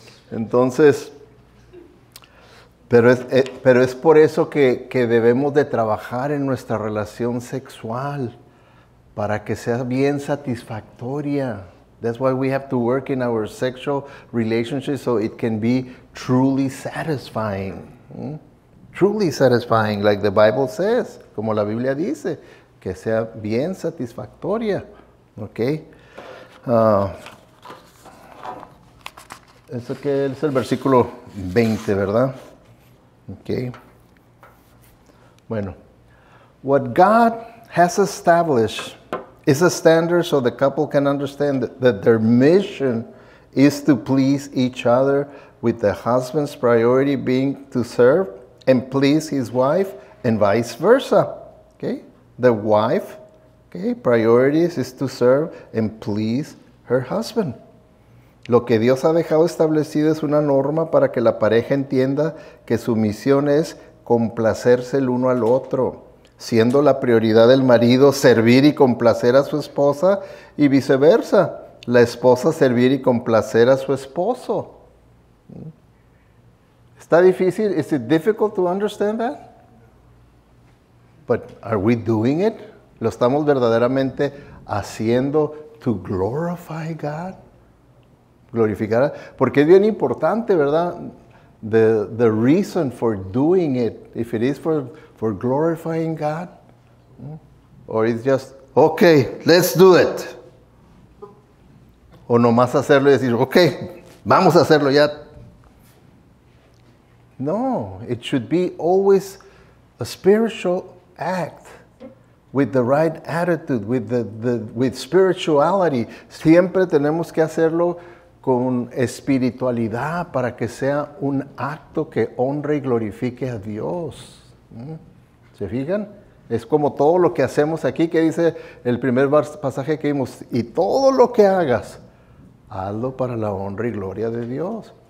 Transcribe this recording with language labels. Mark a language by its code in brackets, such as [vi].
[es] Entonces, pero es por eso que debemos de trabajar en nuestra relación sexual para que sea bien satisfactoria. [en] That's why we have to work in our sexual relationship so it can be truly satisfying. Truly satisfying, like the Bible says, [es] como la Biblia dice, que sea bien satisfactoria. Okay. Eso que es el versículo 20, ¿verdad? Okay. Bueno. [en] What God has established is a standard so the couple can understand that their mission is to please each other, with the husband's priority being to serve and please his wife, and vice versa. Okay? The wife, okay, priorities is to serve and please her husband. [es] Lo que Dios ha dejado establecido es una norma para que la pareja entienda que su misión es complacerse el uno al otro, siendo la prioridad del marido servir y complacer a su esposa, y viceversa, la esposa servir y complacer a su esposo. ¿Está difícil? [en] Is it difficult to understand that? But are we doing it? [es] ¿Lo estamos verdaderamente haciendo [en] to glorify God? [es] ¿Glorificar? Porque es bien importante, ¿verdad? [en] The reason for doing it, if it is for glorifying God, or it's just, okay, let's do it. [es] O nomás hacerlo y decir, okay, vamos a hacerlo ya. [en] No, it should be always a spiritual act with the right attitude, with spirituality. [es] Siempre tenemos que hacerlo con espiritualidad para que sea un acto que honre y glorifique a Dios. ¿Se fijan? Es como todo lo que hacemos aquí, que dice el primer pasaje que vimos, y todo lo que hagas, hazlo para la honra y gloria de Dios.